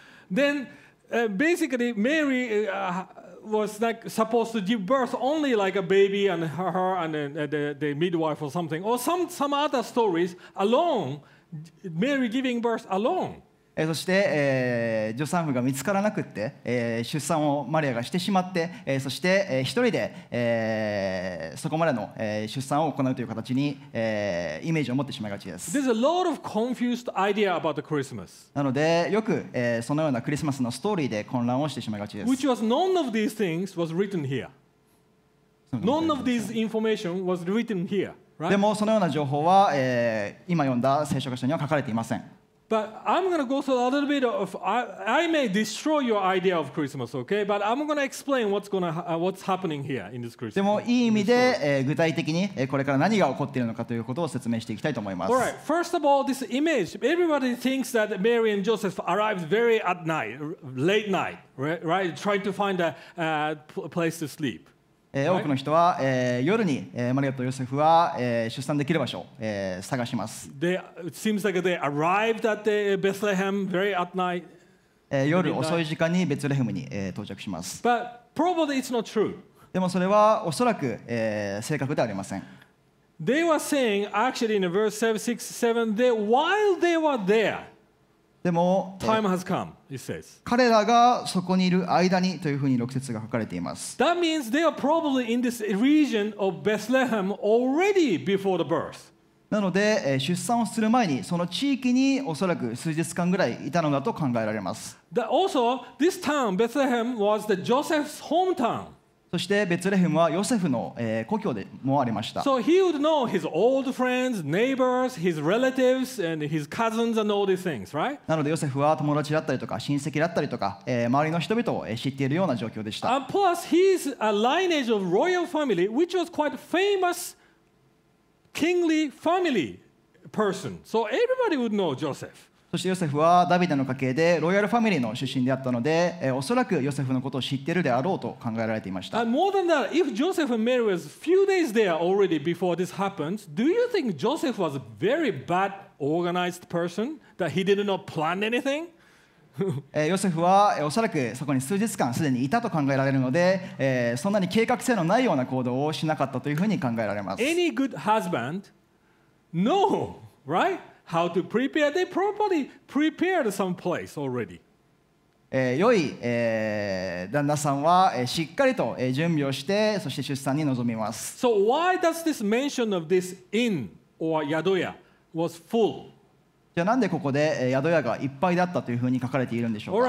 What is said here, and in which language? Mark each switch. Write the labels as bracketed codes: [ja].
[en] Then, basically, Mary, was like supposed to give birth only like a baby and her and the midwife or something or some other stories alone, Mary giving birth alone. [ja] そして、助産婦が見つからなくって、出産をマリアがしてしまって、そして、一人で、そこまでの、出産を行うという形に、イメージを持ってしまいがちです。 [en] There's a lot of confused idea about the Christmas. [ja] なのでよく、そのようなクリスマスのストーリーで混乱をしてしまいがちです。 [en] Which was none of these things was written here. None of these information was written here, right? [ja] でもそのような情報は、今読んだ聖書箇所には書かれていません。 [en] But I'm going to go through a little bit of I may destroy your idea of Christmas, okay? But I'm going to explain what's happening here in this Christmas. [ja] でもいい意味で、具体的にこれから何が起こっているのかということを説明していきたいと思います。 [en] All right. First of all, this image. Everybody thinks that Mary and Joseph arrived very at night, late night, right? Trying to find a place to sleep. [ja] 多くの人は、夜に、マリアとヨセフは、出産できる場所を、探します。 [en] It seems like they arrived at the Bethlehem very at night. [ja] 夜遅い時間にベツレヘムに、到着します。 [en] But probably it's not true. [ja] でもそれはおそらく、正確ではありません。 [en] They were saying actually in verse 6-7 that while they were there, [ja] でも、 [en] time has come. It says. [ja] 彼らがそこにいる間にというふうに6節が書かれています。 [en] That means they are probably in this region of Bethlehem already before the birth. [ja] なので、出産をする前にその地域におそらく数日間ぐらいいたのだと考えられます。 [en] That also, this town, Bethlehem, was the Joseph's hometown. [ja] そしてベツレヘムはヨセフの、故郷でもありました。 [en] So he would know his old friends, neighbors, his relatives, and his cousins and all these things, right? [ja] なのでヨセフは友達だったりとか親戚だったりとか、周りの人々を知っているような状況でした。 [en] And plus, he's a lineage of royal family, which was quite famous kingly family person. So everybody would know Joseph. [ja] そしてヨセフはダビデの家系でロイヤルファミリーの出身であったので、おそらくヨセフのことを知っているであろうと考えられていました。 [en] And more than that, if Joseph and Mary was a few days there already before this happened, do you think Joseph was a very bad organized person that he did not plan anything? [ja] ヨセフはおそらくそこに数日間すでにいたと考えられるので、そんなに計画性のないような行動をしなかったというふうに考えられます。 [en] Any good husband? No, right? How to prepare? They probably prepared some place already. [ja] 良い旦那さんはしっかりと準備をして、そして出産に臨みます。 [en] So why does this mention of this inn or yadoya was full? [ja] じゃあなんでここで宿屋がいっぱいだったというふうに書かれているんでしょうか。